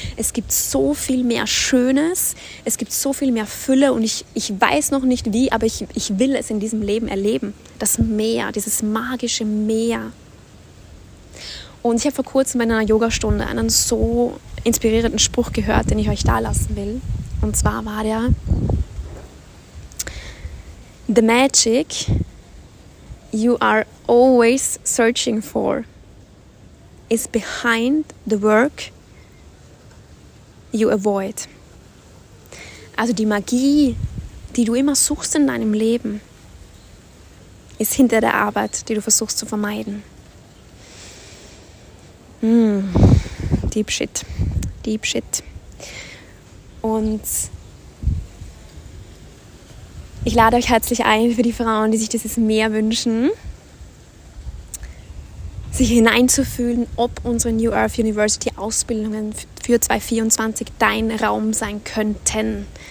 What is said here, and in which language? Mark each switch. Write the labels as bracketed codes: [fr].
[de] Es gibt so viel mehr Schönes. Es gibt so viel mehr Fülle. Und ich weiß noch nicht wie, aber ich will es in diesem Leben erleben. Das Meer, dieses magische Meer. Und ich habe vor kurzem in einer Yogastunde einen so inspirierenden Spruch gehört, den ich euch da lassen will. Und zwar war der: [en] The magic you are always searching for is behind the work you avoid. [de] Also die Magie, die du immer suchst in deinem Leben, ist hinter der Arbeit, die du versuchst zu vermeiden. [en] Deep shit. Deep shit. [de] Und ich lade euch herzlich ein, für die Frauen, die sich dieses Meer wünschen, sich hineinzufühlen, ob unsere New Earth University Ausbildungen für 2024 dein Raum sein könnten.